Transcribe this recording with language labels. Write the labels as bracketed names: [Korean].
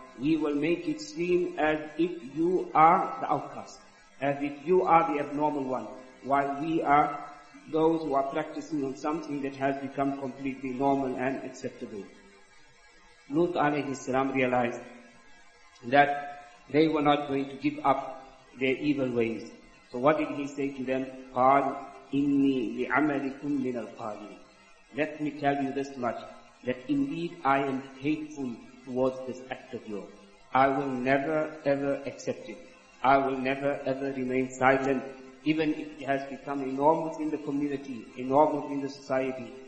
[English] We will make it seem as if you are the outcast, as if you are the abnormal one, while we are those who are practicing on something that has become completely normal and acceptable. Lut alayhi salam realized that they were not going to give up their evil ways. So what did he say to them? [Arabic] قال إني لعملكم من القالين. [English] Let me tell you this much, that indeed I am hateful towards this act of yours. I will never ever accept it. I will never ever remain silent, even if it has become a norm within the community, a norm within the society.